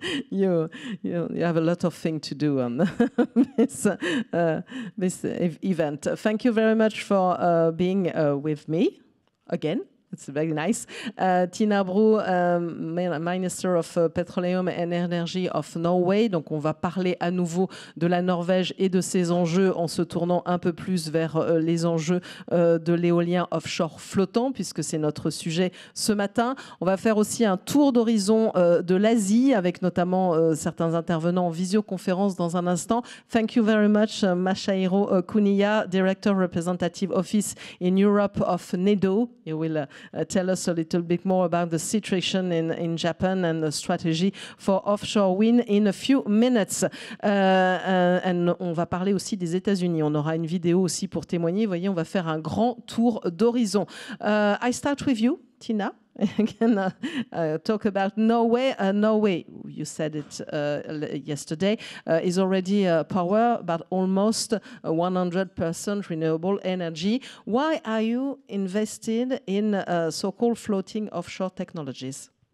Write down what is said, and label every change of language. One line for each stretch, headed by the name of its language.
English: you have a lot of things to do on this event. Thank you very much for being with me again. It's very nice. Tina Brou, Minister of Petroleum and Energy of Norway.
French: Donc, on va parler à nouveau de la Norvège et de ses enjeux en se tournant un peu plus vers les enjeux de l'éolien offshore flottant, puisque c'est notre sujet ce matin. On va faire aussi un tour d'horizon de l'Asie, avec notamment certains intervenants en visioconférence dans un instant.
English: Thank you very much, Masahiro Kuniya, Director Representative Office in Europe of NEDO. You will tell us a little bit more about the situation in Japan and the strategy for offshore wind in a few minutes.
French: And on va parler aussi des États-Unis. On aura une vidéo aussi pour témoigner. Vous voyez, on va faire un grand tour d'horizon.
English: I start with you, Tina. Can talk about Norway. Norway, you said it yesterday, is already power, but almost 100% renewable energy. Why are you invested in so-called floating offshore technologies?